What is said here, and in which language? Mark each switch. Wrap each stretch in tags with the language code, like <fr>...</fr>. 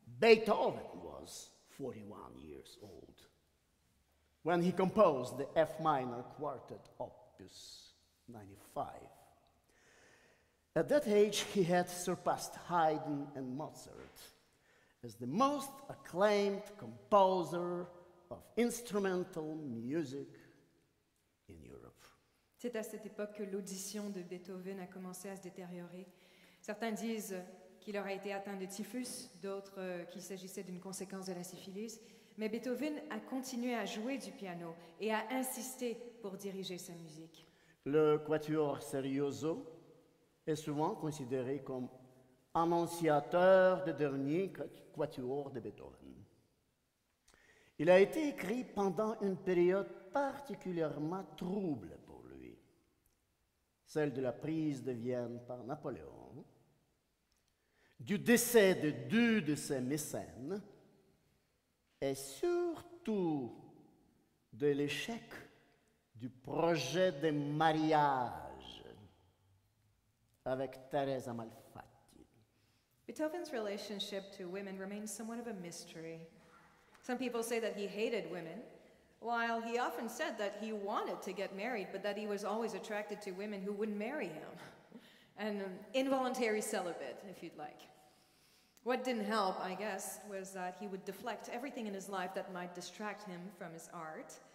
<en>Beethoven was 41 years old when he composed the F minor quartet, Opus 95. At that age, he had surpassed Haydn and Mozart as the most acclaimed composer of instrumental music in Europe.</en> <fr>C'est à cette époque que l'audition de Beethoven a commencé à se détériorer. Certains disent qu'il aurait été atteint de typhus, d'autres qu'il s'agissait d'une conséquence de la syphilis. Mais Beethoven a continué à jouer du piano et a insisté pour diriger sa musique. Le quatuor serioso est souvent considéré comme annonciateur des derniers quatuors de Beethoven. Il a été écrit pendant une période particulièrement trouble pour lui, celle de la prise de Vienne par Napoléon, du décès de deux de ses mécènes, et surtout de l'échec du projet de mariage avec Teresa Malfatti.</fr> <en>Beethoven's relationship to women remains somewhat of a mystery. Some people say that he hated women, while he often said that he wanted to get married, but that he was always attracted to women who wouldn't marry him. An involuntary celibate, if you'd like. What didn't help, I guess, was that he would deflect everything in his life that might distract him from his art.</en>